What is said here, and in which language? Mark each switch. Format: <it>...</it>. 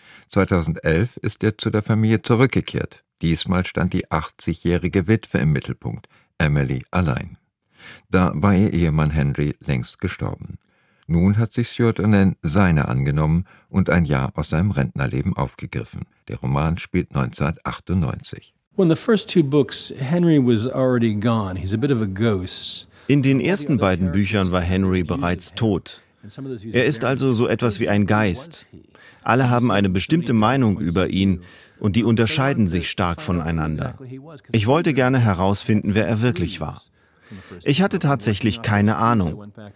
<de>2011 ist er zu der Familie zurückgekehrt. Diesmal stand die 80-jährige Witwe im Mittelpunkt, Emily allein. Da war ihr Ehemann Henry längst gestorben. Nun hat sich Stuart Onan seine angenommen und ein Jahr aus seinem Rentnerleben aufgegriffen. Der Roman spielt 1998.</de> <en>When the first two books, Henry was already gone. He's a bit of a ghost.</en> <de>In den ersten beiden Büchern war Henry bereits tot. Er ist also so etwas wie ein Geist. Alle haben eine bestimmte Meinung über ihn und die unterscheiden sich stark voneinander. Ich wollte gerne herausfinden, wer er wirklich war. Ich hatte tatsächlich keine Ahnung.</de>